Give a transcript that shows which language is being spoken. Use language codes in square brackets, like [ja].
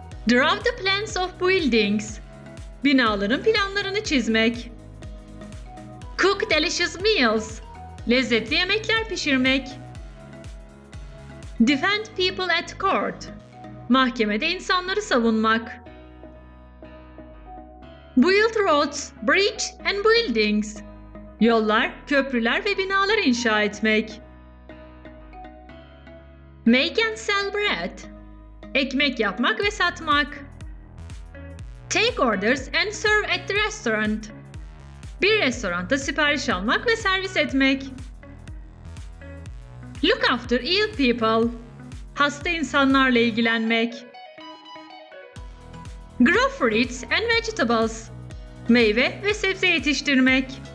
[en] Draw the plans of buildings, [tr] binaların planlarını çizmek. [en] Cook delicious meals, [tr] lezzetli yemekler pişirmek. [en] Defend people at court. [tr] Mahkemede insanları savunmak. [en] Build roads, bridges and buildings. [tr] Yollar, köprüler ve binalar inşa etmek. [en] Make and sell bread. [tr] Ekmek yapmak ve satmak. [en] Take orders and serve at the restaurant. [tr] Bir restoranda sipariş almak ve servis etmek. [en] Look after ill people. [tr] Hasta insanlarla ilgilenmek. [en] Grow fruits and vegetables. [tr] Meyve ve sebze yetiştirmek.